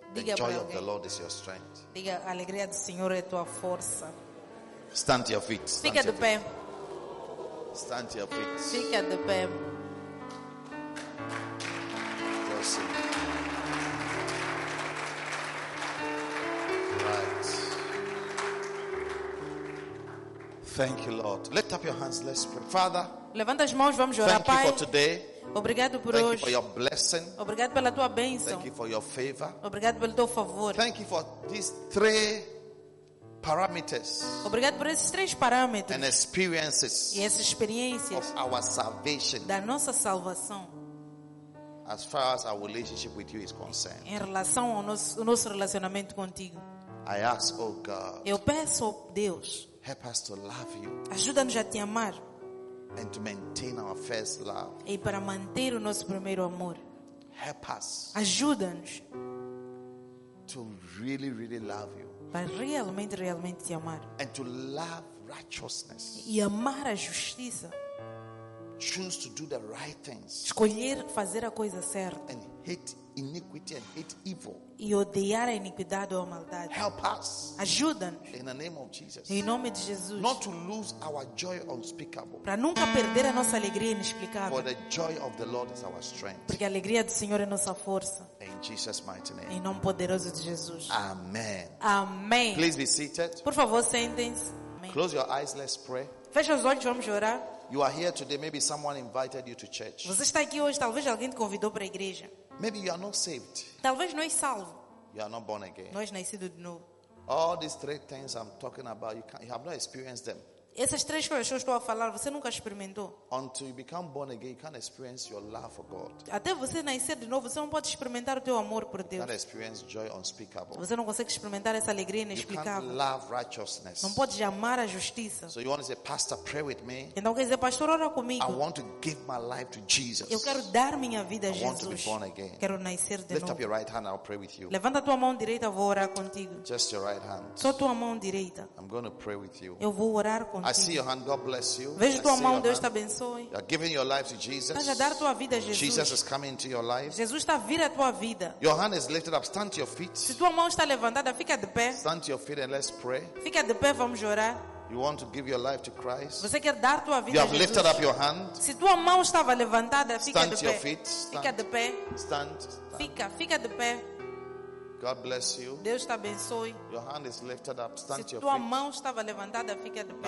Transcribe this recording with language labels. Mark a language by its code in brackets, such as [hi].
[pt] Diga [en] the joy of the Lord is your strength. [pt] Diga, a alegria do Senhor é tua força. [en] Stand to your feet. [pt] Fica de pé. [en] Stand to your feet. [pt] Fica de pé. [en] Right. Thank you, Lord. Lift up your hands. Let's pray. Father, [pt] levanta as mãos, vamos orar, [en] thank [pt] Pai. [en] You for today. [pt] Obrigado por [en] thank [pt] hoje. [en] You for your blessing. [pt] Obrigado pela tua bênção. [en] Thank you for your favor. [pt] Obrigado pelo teu favor. [en] Thank you for these three parameters. [pt] Obrigado por esses três parâmetros. [en] And experiences. [pt] E essas experiências. [en] Of our salvation. [pt] Da nossa salvação. [en] As far as our relationship with you is concerned. [pt] Em relação ao nosso relacionamento contigo. [en] I ask, oh God. [pt] Eu peço, oh Deus. [en] Help us to love you. [pt] Ajuda-nos a te amar. [en] And to maintain our first love. [pt] E para manter o nosso primeiro amor. [en] Help us. [pt] Ajuda-nos. [en] To really, really love you. [pt] Para realmente, realmente te amar. [en] And to love righteousness. [pt] E amar a justiça. [en] Choose to do the right things. [pt] Escolher fazer a coisa certa. [en] And hate iniquity and hate evil. [pt] E odiar a iniquidade ou a maldade. [en] Help us. [pt] Ajuda-nos. [en] In the name of Jesus. [pt] Em nome de Jesus. [en] Not to lose our joy unspeakable. [pt] Para nunca perder a nossa alegria inexplicável. [en] For the joy of the Lord is our strength. [pt] Porque a alegria do Senhor é nossa força. [en] In Jesus' mighty name. [pt] Em nome poderoso de Jesus. [en] Amen. [pt] Amém. [en] Please be seated. [pt] Por favor, sentem-se. [en] Close your eyes, let's pray. [pt] Feche os olhos, vamos orar. [en] You are here today, maybe someone invited you to church. [pt] Você está aqui hoje, talvez alguém te convidou para a igreja. [en] Maybe you are not saved. [pt] Talvez não és salvo. [en] You are not born again. [pt] Não és nascido de novo. [en] All these three things I'm talking about, you have not experienced them. [pt] Essas três coisas que eu estou a falar, você nunca experimentou. [en] Until you become born again, you can't experience your love for God. [pt] Até você nascer de novo, você não pode experimentar o teu amor por Deus. [en] You can't experience joy unspeakable. [pt] Você não consegue experimentar essa alegria inexplicável. [en] You can't love righteousness. [pt] Não pode amar a justiça. [en] So you want to say, Pastor, pray with me. [pt] Então quer dizer, pastor, ora comigo. [en] I want to give my life to Jesus. [pt] Eu quero dar minha vida a Jesus. [en] I want to be born again. [pt] Quero nascer de [en] lift [pt] novo. [en] Up your right hand, I'll pray with you. [pt] Levanta a tua mão direita, eu vou orar contigo. [en] Just your right hand. [pt] Só tua mão direita. [en] I'm going to pray with you. [pt] Eu vou orar contigo. [en] I see your hand. God bless you. [pt] Vejo tua mão, Deus te abençoe. [en] You are giving your life to Jesus. [pt] Estás a dar tua vida a Jesus. [en] Jesus is coming into your life. [pt] Jesus está a vir a tua vida. [en] Your hand is lifted up. Stand to your feet. [pt] Se tua mão está levantada, fica de pé. [en] Stand to your feet and let's pray. [pt] Fica de pé, vamos orar. [en] You want to give your life to Christ? [pt] Você quer dar tua vida [en] you have [pt] a Jesus. [en] Lifted up your hand. [pt] Se tua mão estava levantada, fica [en] stand [pt] de pé. [en] To your feet. [pt] Fica de pé. [en] Stand. [pt] Fica de pé. [en] God bless you. [pt] Deus te abençoe. [en] Your hand is lifted up. Stand [pt] se [en] to your [pt] tua [en] feet. [pt] Mão estava levantada, fica de pé.